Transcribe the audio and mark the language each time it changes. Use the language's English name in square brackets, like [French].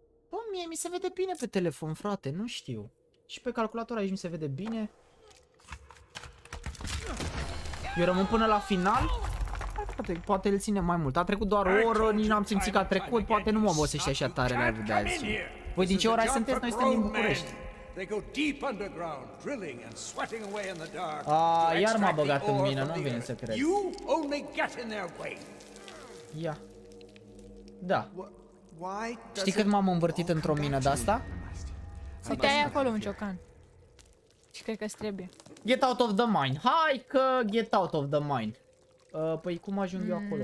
[Romanian] Bă, mie mi se vede bine pe telefon, frate, nu știu. Și pe calculator aici mi se vede bine. Eu rămân până la final? Hai, frate, poate îl ține mai mult. A trecut doar o oră, nici n-am simțit că a trecut. Poate nu mă obosește așa tare la live de azi. Voi din ce ora sunteți? Noi suntem din București. [English] They go deep underground, drilling and sweating away in the dark. [Romanian] Ah, iar m-a băgat în mină, nu vine să cred. [English] You only get in their way. [Romanian] Ia. Da. Știi cât m-am învârtit într-o mină de-asta? Să te ai acolo un ciocan. Și cred că-ți trebuie. [English] Get out of the mine. [Romanian] Hai că [English] get out of the mine. [Romanian] Păi cum ajung eu acolo?